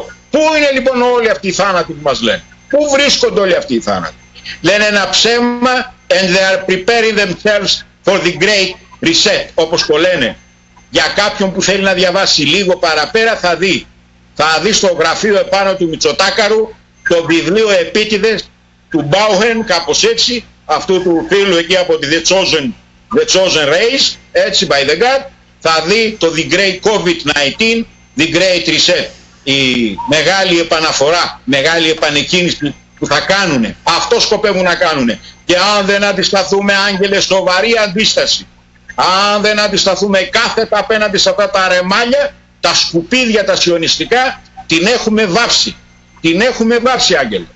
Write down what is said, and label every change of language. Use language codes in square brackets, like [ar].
[el] Πού είναι λοιπόν όλοι αυτοί οι θάνατοι που μας λένε? Πού βρίσκονται όλοι αυτοί οι θάνατοι? Λένε ένα ψέμα [en] and they are preparing themselves for the great reset, [el] όπως το λένε. Για κάποιον που θέλει να διαβάσει λίγο παραπέρα θα δει. Θα δει στο γραφείο επάνω του Μητσοτάκαρου το βιβλίο επίτηδες του Μπάουεν, κάπως έτσι, αυτού του φίλου εκεί από τη The Chosen Race, έτσι, [en] by the God. [el] Θα δει το The Great COVID-19, The Great Reset. Η μεγάλη επαναφορά, μεγάλη επανεκκίνηση που θα κάνουν, αυτό σκοπεύουν να κάνουν. Και αν δεν αντισταθούμε, Άγγελε, σοβαρή αντίσταση, αν δεν αντισταθούμε κάθετα απέναντι σε αυτά τα ρεμάλια, τα σκουπίδια, τα σιωνιστικά, την έχουμε βάψει. Την έχουμε βάψει, Άγγελε.